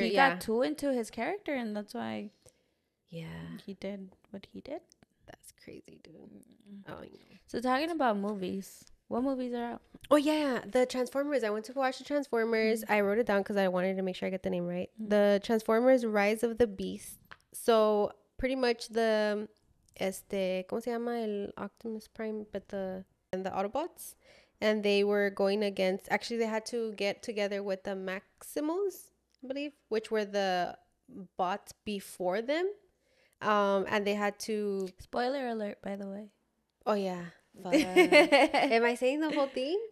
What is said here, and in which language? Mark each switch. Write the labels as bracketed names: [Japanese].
[English] he got too into his character, and that's why, yeah, he did what he did. That's crazy, dude. Oh, yeah. So talking about movies, what movies are out? Oh yeah, the Transformers. I went to watch the Transformers. Mm-hmm. I wrote it down because I wanted to make sure I get the name right. Mm-hmm. The Transformers: Rise of the Beast. So pretty much the [Spanish] ¿cómo se llama el [English] Optimus Prime? But the Autobots. And they were going against, actually, they had to get together with the Maximals, I believe, which were the bots before them. And they had to... Spoiler alert, by the way. Oh, yeah. But, am I saying the whole thing?